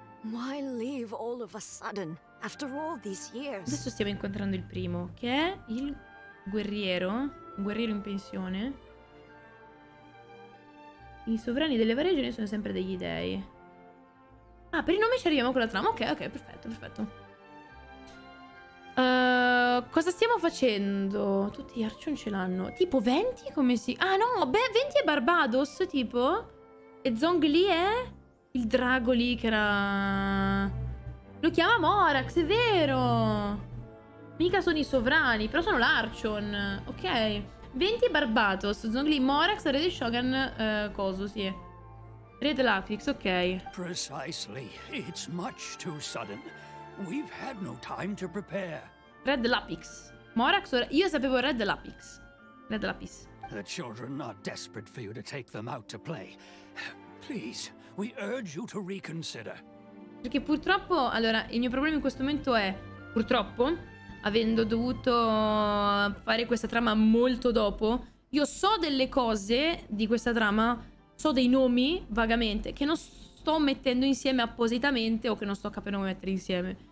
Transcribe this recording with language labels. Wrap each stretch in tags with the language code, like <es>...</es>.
<en>Why leave all of a sudden after all these years?</en> <it>Adesso stiamo incontrando il primo, che è il guerriero. Un guerriero in pensione. I sovrani delle varie regioni sono sempre degli dei. Ah, per il nome ci arriviamo con la trama. Ok, ok, perfetto, perfetto. Cosa stiamo facendo? Tutti gli Archon ce l'hanno. Tipo 20? Come si... Ah no, beh, 20 è Barbados, tipo... E Zong lì è il drago lì che era... Lo chiama Morax, è vero! Mica sono i sovrani, però sono l'Archon. Ok. 20 Barbatos, Zong lì, Morax, Red Shogun, coso, sì. Red Lapix, ok.</it> <en>Precisely. It's much too sudden. We've had no time to prepare.</en> <it>Red Lapix. Morax or... Io sapevo Red Lapix. Red Lapix.</it> <en>The children are desperate for you to take them out to play. Please, we urge you to reconsider.</en> <it>Perché purtroppo, allora, il mio problema in questo momento è, purtroppo, avendo dovuto fare questa trama molto dopo, io so delle cose di questa trama, so dei nomi, vagamente, che non sto mettendo insieme appositamente o che non sto capendo come mettere insieme.</it>